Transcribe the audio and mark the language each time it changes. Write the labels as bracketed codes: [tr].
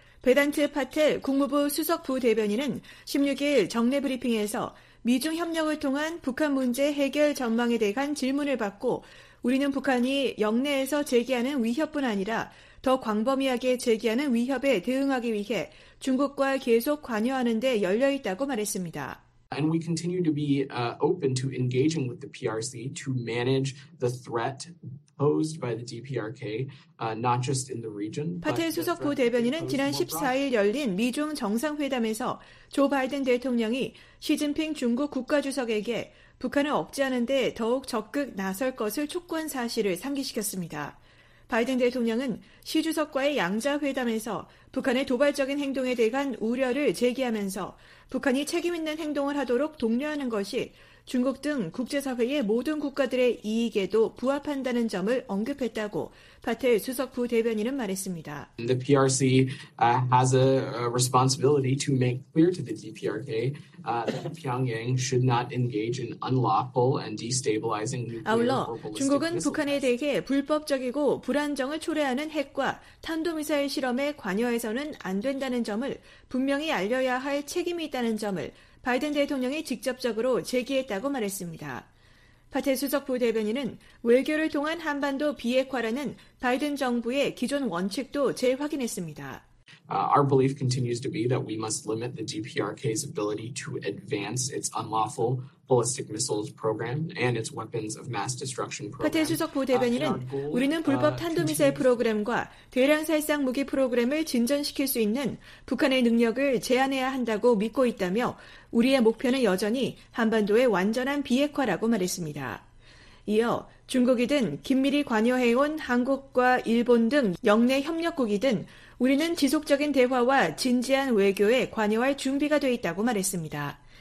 [ko] 베단트 파텔 국무부 수석 부대변인은 16일 정례 브리핑에서 미중 협력을 통한 북한 문제 해결 전망에 대한 질문을 받고 우리는 북한이 역내에서 제기하는 위협뿐 아니라 더 광범위하게 제기하는 위협에 대응하기 위해 중국과 계속 관여하는 데 열려있다고 말했습니다. [en] And we continue to be open to engaging with the PRC to manage the threat posed by the DPRK, not just in the region. [ko] 파텔 수석 부대변인은 지난 14일 열린 미중 정상회담에서 조 바이든 대통령이 시진핑 중국 국가주석에게 북한을 억제하는 데 더욱 적극 나설 것을 촉구한 사실을 상기시켰습니다. 바이든 대통령은 시 주석과의 양자회담에서 북한의 도발적인 행동에 대한 우려를 제기하면서 북한이 책임있는 행동을 하도록 독려하는 것이 중국 등 국제사회의 모든 국가들의 이익에도 부합한다는 점을 언급했다고 파텔 수석 부대변인은 말했습니다. [en] The PRC has a responsibility to make clear to the DPRK that Pyongyang should not engage in unlawful and destabilizing nuclear or ballistic missiles. [ko] 아울러 중국은 북한에 대해 불법적이고 불안정을 초래하는 핵과 탄도미사일 실험에 관여해서는 안 된다는 점을 분명히 알려야 할 책임이 있다는 점을 바이든 대통령이 직접적으로 제기했다고 말했습니다. 파텔 수석 부대변인은 외교를 통한 한반도 비핵화라는 바이든 정부의 기존 원칙도 재확인했습니다. [en] Our belief continues to be that we must limit the DPRK's ability to advance its unlawful ballistic missiles program and its weapons of mass destruction program. [ko] 파텔 수석 부대변인은 우리는 불법 탄도미사일 프로그램과 대량살상 무기 프로그램을 진전시킬 수 있는 북한의 능력을 제한해야 한다고 믿고 있다며 우리의 목표는 여전히 한반도의 완전한 비핵화라고 말했습니다. 이어 중국이든 긴밀히 관여해온 한국과 일본 등 역내 협력국이든 우리는 지속적인 대화와 진지한 외교에 관여할 준비가 되어 있다고 말했습니다.